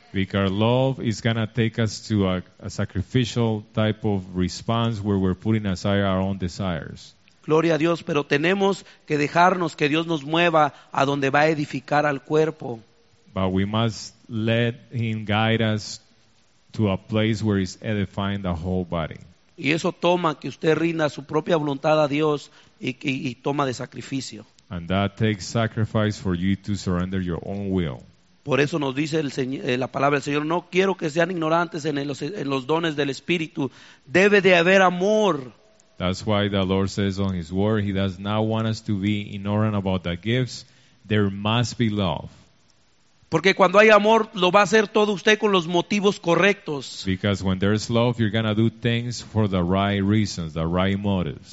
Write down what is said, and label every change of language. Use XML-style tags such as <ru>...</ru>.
<en>Because love is going to take us to a sacrificial type of response where we're putting aside our own desires.</en> <es>Gloria a Dios, pero tenemos que dejarnos que Dios nos mueva a donde va a edificar al cuerpo.</es> <en>But we must let Him guide us to a place where He's edifying the whole body.</en> <es>Y eso toma que usted rinda su propia voluntad a Dios y toma de sacrificio.</es> <en>And that takes sacrifice for you to surrender your own will.</en> <es>Por eso nos dice el Señor, la palabra del Señor, no quiero que sean ignorantes en los dones del Espíritu. Debe de haber amor.</es> <en>That's why the Lord says on His word, He does not want us to be ignorant about the gifts. There must be love.</en> <es>Porque cuando hay amor, lo va a hacer todo usted con los motivos correctos.</es> <en>Because when there's love, you're going to do things for the right reasons, the right motives.</en>